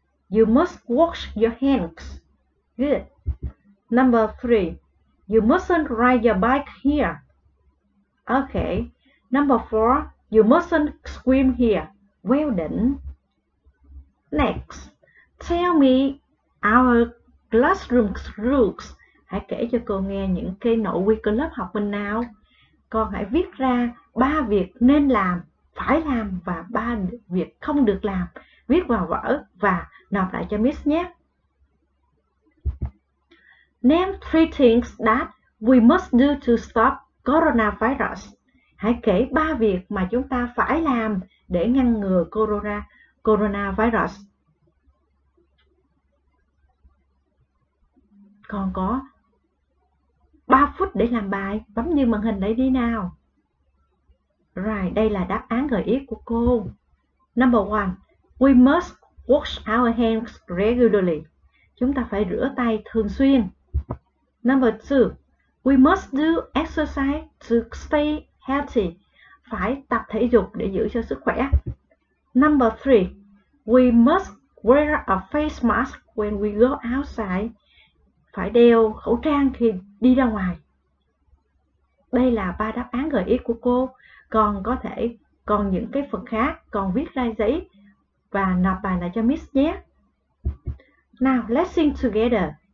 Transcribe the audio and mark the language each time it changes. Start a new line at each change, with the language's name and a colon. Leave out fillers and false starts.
English: You must wash your hands. Good. Number 3. You mustn't ride your bike here. Okay. Number 4. You mustn't swim here. Well done. Next, tell me our classroom rules.
Vietnamese: Hãy kể cho cô nghe những cái nội quy của lớp học mình nào. Con hãy viết ra 3 việc nên làm, phải làm và 3 việc không được làm. Viết vào vở và nộp lại cho Miss nhé.
English: Name 3 things that we must do to stop coronavirus.
Vietnamese: Hãy kể 3 việc mà chúng ta phải làm để ngăn ngừa coronavirus. Còn có 3 phút để làm bài. Bấm như màn hình đấy đi nào. Rồi, đây là đáp án gợi ý của cô.
English: Number 1. We must wash our hands regularly.
Vietnamese: Chúng ta phải rửa tay thường xuyên.
English: Number 2. We must do exercise to stay healthy.
Vietnamese: phải tập thể dục để giữ cho sức khỏe.
English: Number 3. We must wear a face mask when we go outside.
Vietnamese: Phải đeo khẩu trang khi đi ra ngoài. Đây là ba đáp án gợi ý của cô. Còn có thể còn những cái phần khác, còn viết ra giấy và nộp bài lại cho Miss nhé.
English: Now, let's sing together.